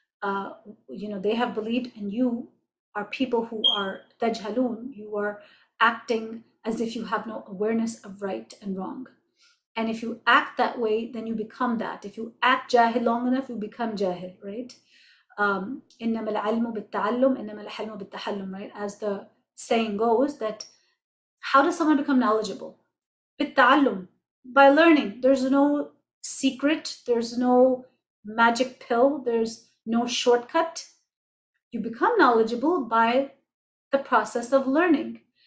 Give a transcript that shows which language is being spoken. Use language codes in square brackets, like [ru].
[en] They have believed, and you are people who are tajhaloon. You are acting as if you have no awareness of right and wrong. And if you act that way, then you become that. If you act jahil long enough, you become jahil, right? [ar] إنما العلم بالتعلم إنما الحلم بالتحلم, [en] right? As the saying goes, that how does someone become knowledgeable? [ar] بالتعلم, [en] by learning. There's no secret, there's no magic pill, there's no shortcut. You become knowledgeable by the process of learning.